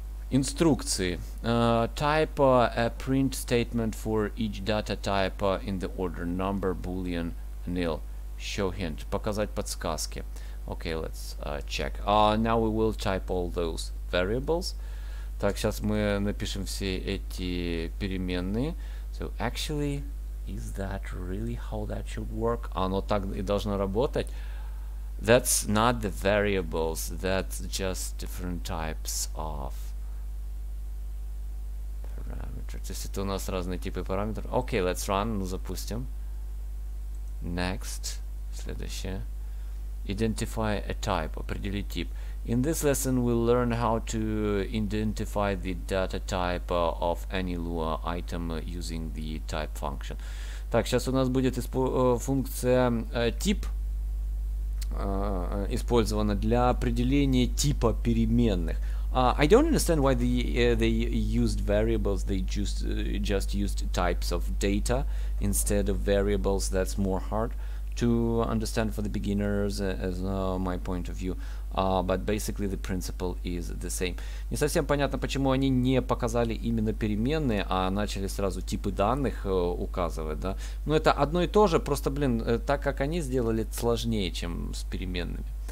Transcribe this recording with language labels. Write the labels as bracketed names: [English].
[Russian] Инструкции. [English] Type a print statement for each data type in the order number, boolean, nil. Show hint. [Russian] Показать подсказки. [English] Okay, let's check. Now we will type all those variables. [Russian] Так, сейчас мы напишем все эти переменные. [English] So actually, is that really how that should work? [Russian] Оно так и должно работать. [English] That's not the variables, that's just different types of parameters. [Russian] То есть это у нас разные типы параметров. [English] Okay, let's run, [Russian] ну запустим. [English] Next, [Russian] следующее. [English] Identify a type, [Russian] определи тип. [English] In this lesson we'll learn how to identify the data type of any Lua item using the type function. [Russian] Так, сейчас у нас будет функция тип. Использовано для определения типа переменных. [English] I don't understand why they used variables. They just used types of data instead of variables. That's more hard to understand for the beginners, as my point of view. But basically the principle is the same. [Russian] Не совсем понятно, почему они не показали именно переменные, а начали сразу типы данных указывать, да? Но это одно и то же, просто, блин, так как они сделали, сложнее, чем с переменными.